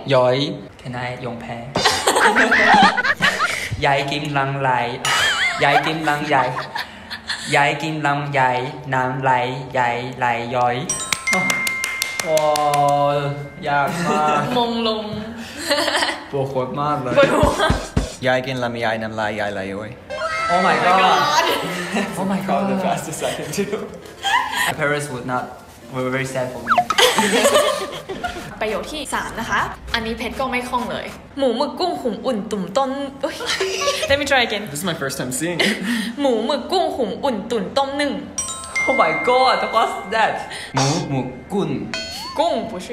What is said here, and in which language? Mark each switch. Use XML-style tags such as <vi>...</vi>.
<th>ย้อย</th> <en>can I</en> <th>ยงแพ้ยายกินลำไยยายกินลำไยยายกินลำไยน้ำลายยายไหลย้อยว้าวยากมาก มงลง ปวดหัวมากเลย ปวดหัว ยายกินลำไยน้ำลายยายไหลย้อย</th> <en>Oh my god Oh my god the fastest I can do My parents would not were very sad for me</en> <th>ประโยคที่3นะคะอันนี้เพชรก็ไม่คล่องเลยหมูหมึกกุ้งหุ่มอุ่นตุ่มต้ม</th> <en>Let me try again This is my first time seeing</en> <th>หมูหมึกกุ้งหุ่มอุ่นตุ่มต้มนึ่ง</th> <en>Oh my god, what's that?</en> <th>หมูหมึกกุ้ง กุ้ง</th> <zh>不是</zh>